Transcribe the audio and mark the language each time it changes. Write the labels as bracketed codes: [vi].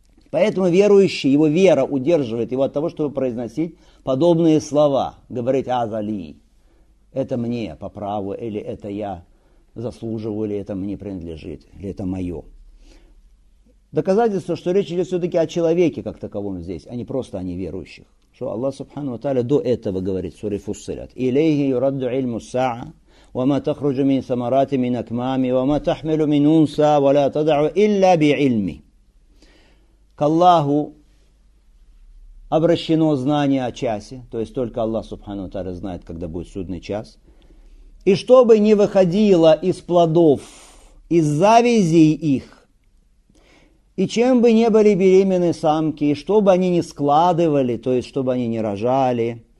[ru] Поэтому верующий, его вера удерживает его от того, чтобы произносить подобные слова, говорить «азали», «это мне по праву», или «это я заслуживаю», или «это мне принадлежит», или «это мое». Доказательство, что речь идет все-таки о человеке как таковом здесь, а не просто о неверующих. Что Аллах Субхану ва Тааля до этого говорит в суре Фуссилят: [ar] «Илейхи юрадду ильму са'а». وما تخرج من ثمرات من أكمام وما تحمل من أنثى ولا تدع إلا بعلمي. [ru] К Аллаху обращено знание о часе, то есть только Аллах Субхану Тааля знает, когда будет судный час. И чтобы не выходило из плодов, из завязей их, и чем бы не были беременны самки, и чтобы они не складывали, то есть чтобы они не рожали.